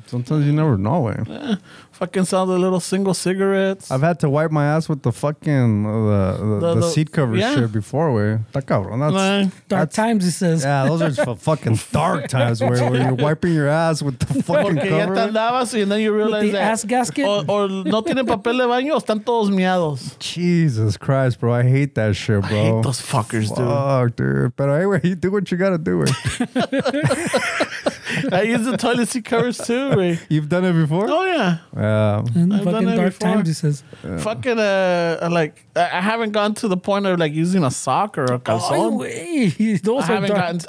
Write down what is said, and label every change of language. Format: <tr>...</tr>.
<en>Sometimes you never know, way. Fucking sell the little single cigarettes. I've had to wipe my ass with the fucking the seat cover shit before, way. Dark times, he says. Yeah, those are fucking dark times, way. Where you're wiping your ass with the fucking cover.</en> <es>Ya te andabas y</es> <en>then you realize the ass gasket.</en> <es>Or no tienen papel de baño o están todos miados.</es> <en>Jesus Christ, bro. I hate that shit, bro. I hate those fuckers, fuck, dude. Fuck, dude. But anyway, you do what you gotta do, way. I use the toilet seat covers too, way. You've done it before? Oh, yeah. Fucking dark times, he says. Yeah. Fucking, like, I haven't gone to the point of, like, using a sock or a calzón.</en>